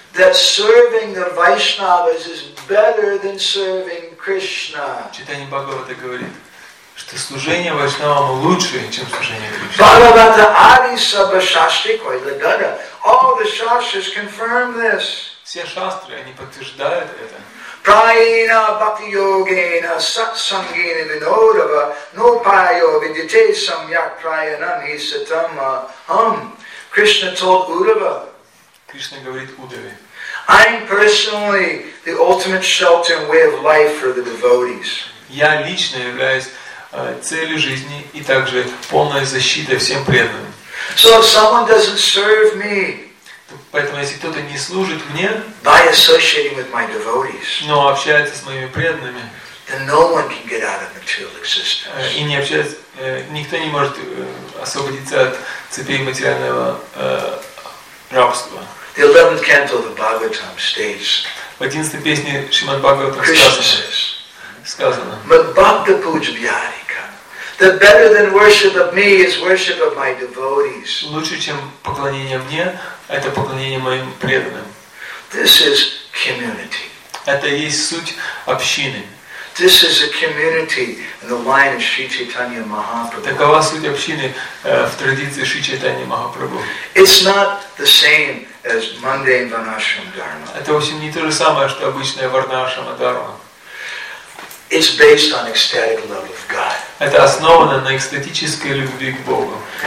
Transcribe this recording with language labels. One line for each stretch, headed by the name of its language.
English: that serving the Vaishnavas is better than serving Krishna.
Russian: Читание Бхагавата говорит, что служение Вайшнавам лучше, чем служение Кришне.
Bangla: Бхагавата Ади Саба Шастри Койла Гага.
English: All the Shastras confirm this.
Russian: Все шастры, они подтверждают это.
Sanskrit: Prayena bhakti yogena satsangena vinodava nopayo vidyate samyak prayanam hisatam aham.
English: Krishna told Uddhava.
Russian: Krishna говорит Удаве.
English: I'm personally the ultimate shelter and way of life for the devotees.
Russian: Я лично являюсь целью жизни и также полной защитой всем преданным.
English: So if someone doesn't serve me,
Russian: поэтому если кто-то не служит мне,
English: by associating with my devotees,
Russian: но общается с моими преданными,
English: then no one can get out of material existence.
Russian: И не общается, никто не может освободиться от цепей материального рабства.
English: The 11th canto of the Bhagavatam states,
Russian: в 11-й песне Шримад Бхагаватам сказано, сказано,
Sanskrit: Madbhakta Pujabhyarika.
English: The better than worship of me is worship of my devotees.
Russian: Лучше, чем поклонение мне, это поклонение моим преданным.
English: This is community.
Russian: Это и есть суть общины.
English: This is a community in the line of Sri Chaitanya Mahaprabhu.
Russian: Такова суть общины в традиции Шри Чайтаньи Махапрабху.
English: It's not the same as mundane Varnashrama Dharma.
Russian: Это вовсе не то же самое, что обычная Варнашрама Дхарма.
English: It's based on ecstatic love of God.
Russian: Это основано на экстатической любви к Богу.